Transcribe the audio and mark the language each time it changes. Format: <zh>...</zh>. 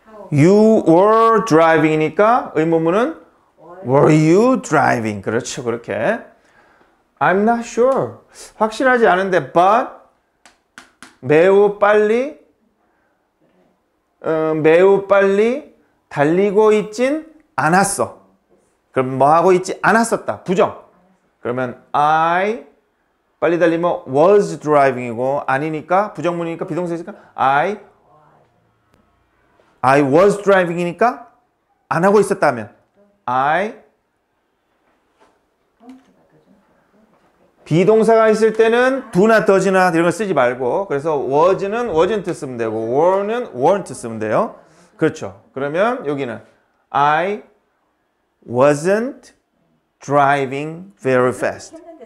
<en>you were driving이니까</en> <ko>의문문은</ko> <en>Were you driving?</en> <ko>그렇죠, 그렇게.</ko> <en>I'm not sure.</en> <ko>확실하지 않은데, but 매우 빨리 매우 빨리 달리고 있진 않았어. 그럼 뭐 하고 있지 않았었다. 부정. 그러면 I 빨리 달리면 was driving이고 아니니까 부정문이니까 비동사니까</ko> <en>I was driving</en> <ko>이니까 안 하고 있었다면 I 비동사가 있을 때는 do나 does나 이런 걸 쓰지 말고 그래서 was는 wasn't 쓰면 되고 were는 weren't 쓰면 돼요. 그렇죠. 그러면 여기는</ko> <en>I wasn't driving very fast.</en>